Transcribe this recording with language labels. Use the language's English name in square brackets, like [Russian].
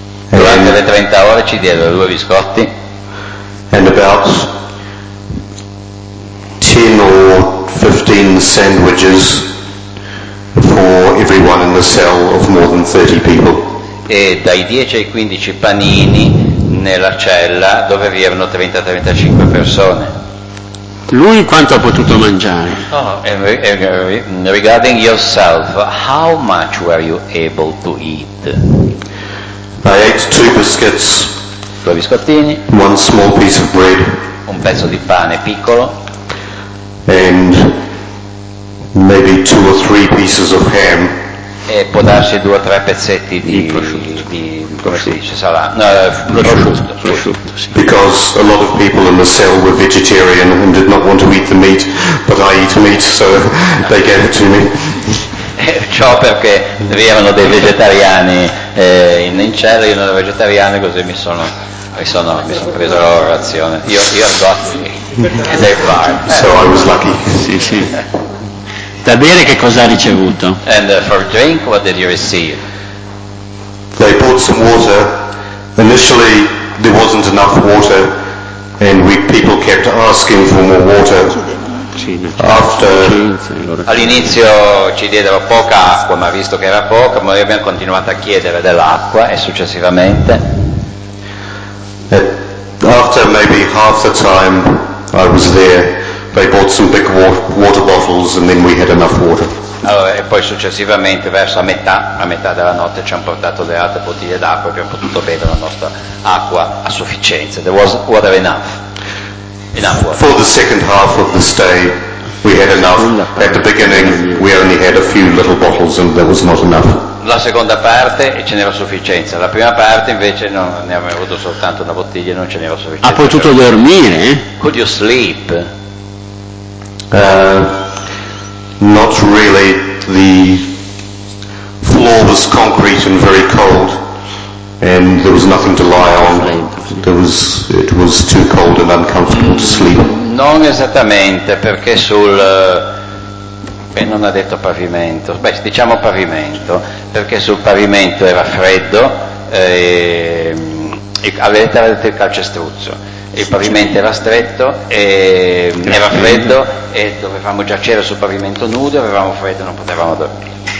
[Italian] Durante le 30 ore ci diedero due biscotti. [English] And about 10 or 15 sandwiches for everyone in the cell of more than 30 people. [Italian] E dai 10 ai 15 panini nella cella dove vi erano 30-35 persone. Lui quanto ha potuto mangiare? [English] Oh, regarding yourself, how much were you able to eat? I ate two biscuits. [Italian] Due biscottini. [English] One small piece of bread. [Italian] Un pezzo di pane piccolo. [English] And maybe two or three pieces of ham. [Italian] E può darsi due o tre pezzetti di prosciutto. [English] Because a lot of people in the cell were vegetarian and did not want to eat the meat, but I eat meat, so they gave it to me. [Italian] Ciò perché vi erano dei vegetariani in cella, io non ero vegetariano, così mi sono preso la razione. Io ho got the farm. [English] So I was lucky. [Italian] Sì, sì. Da bere che cosa ha ricevuto? [English] And for drink, what did you receive? They brought some water. Initially there wasn't enough water and people kept asking for more water. [Italian] All'inizio ci diedero poca acqua, ma visto che era poca, noi abbiamo continuato a chiedere dell'acqua e successivamente. [English] After maybe half the time I was there, they bought some big water bottles and then we had enough water. [Italian] Allora, e poi successivamente verso a metà della notte ci hanno portato le altre bottiglie d'acqua e abbiamo potuto bere la nostra acqua a sufficienza. [English] There was water enough water. For the second half of the stay we had enough. At the beginning we only had a few little bottles and there was not enough. [Italian] La seconda parte ce n'era sufficienza, la prima parte invece non ne avevamo avuto soltanto una bottiglia e non ce n'era sufficienza. Ha potuto dormire? [English] Could you sleep? Not really. The floor was concrete and very cold, and there was nothing to lie on. It was too cold and uncomfortable to sleep. [Italian] Non esattamente, perché sul non ha detto pavimento. Beh, diciamo pavimento, perché sul pavimento era freddo e avete detto il calcestruzzo. Il pavimento era stretto e era freddo e dovevamo giacere sul pavimento nudo, avevamo freddo e non potevamo dormire.